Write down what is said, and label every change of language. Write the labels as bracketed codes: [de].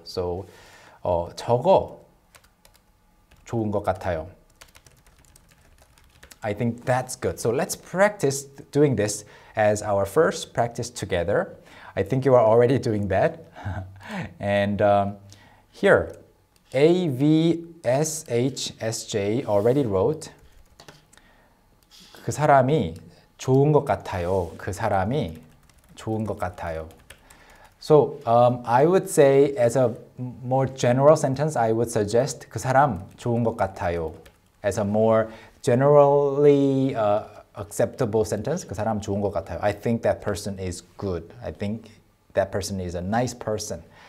[en] So [ko] 저거 좋은 것 같아요. [en] I think that's good. So let's practice doing this as our first practice together. I think you are already doing that. And here, AVSHSJ already wrote, [ko] 그 사람이 좋은 것 같아요. 그 사람이 좋은 것 같아요. [en] So I would say, as a more general sentence, I would suggest [ko] 그 사람 좋은 것 같아요. [en] As a more generally acceptable sentence, [ko] 그 사람 좋은 것 같아요. [en] I think that person is good. I think that person is a nice person.